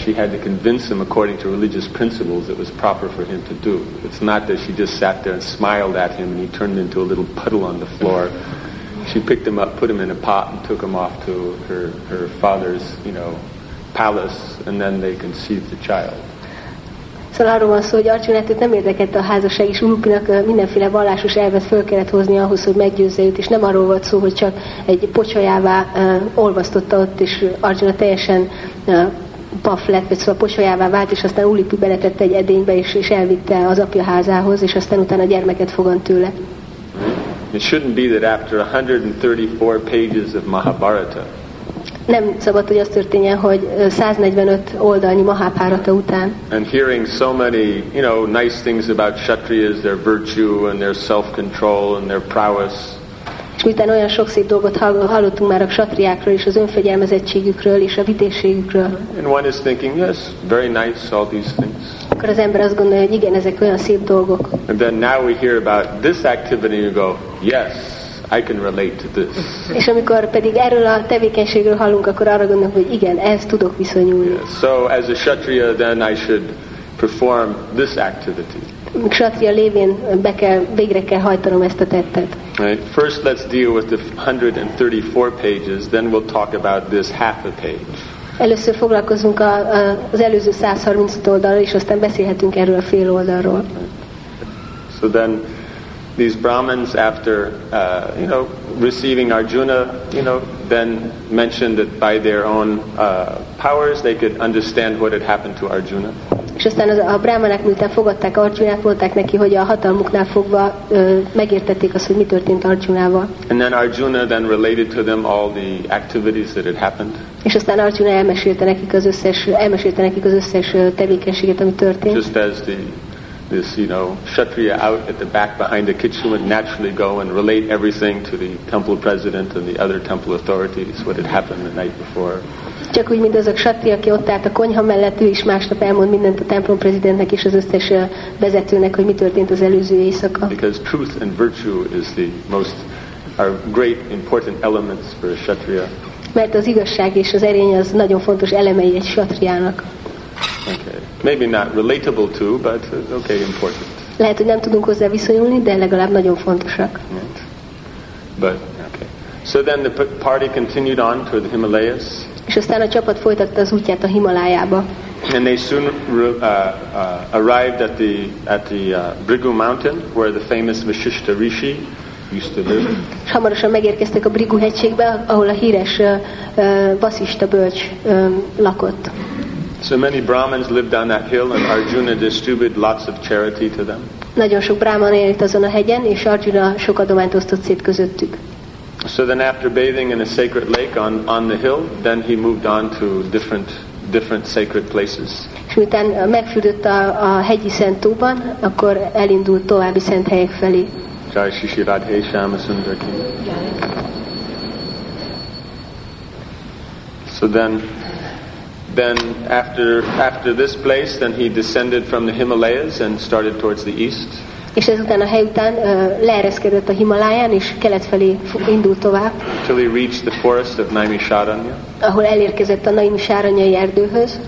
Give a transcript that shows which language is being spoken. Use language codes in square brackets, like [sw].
[en] She had to convince him according to religious principles it was proper for him to do. It's not that she just sat there and smiled at him and he turned into a little puddle on the floor. She picked him up, put him in a pot and took him off to her father's, you know, palace, and then they conceived the child. [hu] Szóval arról van szó, hogy Arjunát nem érdekelte a házasság, és Ulupinak mindenféle vallásos elvet fel kellett hozni ahhoz, hogy meggyőzze őt, és nem arról volt szó, hogy csak egy pocsolyává olvasztotta ott, és Arjuna teljesen paf lett, vagy szóval pocsolyává vált, és aztán Ulupi beletette egy edénybe, és elvitte az apja házához, és aztán utána gyermeket fogant tőle. [en] It shouldn't be that after 134 pages of Mahabharata. [hu] Nem szabad, hogy az történjen, hogy 145 oldalnyi Mahábhárata után. [en] And hearing so many, you know, nice things about kshatriyas, their virtue and their self-control and their prowess. [hu] És miután olyan sok szép dolgot hallottunk már a kshatriyákról és az önfegyelmezettségükről és a vitézségükről. [en] And one is thinking, yes, very nice, all these things. [hu] Akkor az ember azt gondolja, hogy igen, ezek olyan szép dolgok. [en] And then now we hear about this activity and you go, yes. I can relate to this. [hu] És amikor pedig erről a tevékenységről hallunk, akkor arra gondolunk, hogy igen, ehhez tudok viszonyulni. [en] Yeah. So as a kshatriya, then I should perform this activity. [hu] Kshatriya lévén végre kell hajtanom ezt a tettet. [en] Right. First, let's deal with the 134 pages. Then we'll talk about this half a page. [hu] Először foglalkozunk az előző 130 oldalról, és aztán beszélhetünk erről a fél oldalról. [en] So then. These Brahmins, after you know, receiving Arjuna, you know, then mentioned that by their own powers they could understand what had happened to Arjuna. [hu] És aztán a brahmanák, miután fogadták Arjunát, mondták neki, hogy a hatalmuknál fogva megértették azt, hogy mi történt Arjunával. [en] And then Arjuna then related to them all the activities that had happened. [hu] És aztán Arjuna elmesélte nekik az összes tevékenységet, ami történt. [en] Just as this, you know, kshatriya out at the back behind the kitchen would naturally go and relate everything to the temple president and the other temple authorities, what had happened the night before. [hu] Csak úgy, mint az a kshatriya, aki ott állt a konyha mellett, ő is másnap elmond mindent a templom prezidentnek és az összes vezetőnek, hogy mi történt az előző éjszaka. [en] Because truth and virtue is the most, are great important elements for a kshatriya. [hu] Mert az igazság és az erény az nagyon fontos elemei egy kshatriának. [en] Okay. Maybe not relatable to, but okay, important. [hu] Lehet, hogy nem tudunk hozzá viszonyulni, de legalább nagyon fontosak. [en] Right. But okay. So then the party continued on toward the Himalayas. [hu] És aztán a csapat folytatta az útját a Himalájába. [en] And they soon arrived at the Bhrigu Mountain, where the famous Vasishtha Rishi used to live. [hu] És hamarosan megérkeztek a Bhrigu hegységbe, ahol a híres Vasishtha bölcs lakott. [en] So many Brahmins lived on that hill, and Arjuna distributed lots of charity to them. [hu] Nagyon sok Brahman élt azon a hegyen, és Arjuna sok adományt osztott szét közöttük. [en] So then, after bathing in a sacred lake on the hill, then he moved on to different sacred places. [hu] És miután megfürdött a hegyi szent tóban, akkor elindult további szent helyek felé. [hi] Jai Shri Radhe Shyama Sundar Ki. [en] So then. then after this place, then he descended from the Himalayas and started towards the east. [hu] És ezután a hely után leereszkedett a Himaláján és kelet felé indult tovább. [en] Till he reached the forest of Naimisharanya. [hu] Ahol elérkezett a Naimisharanyai erdőhöz.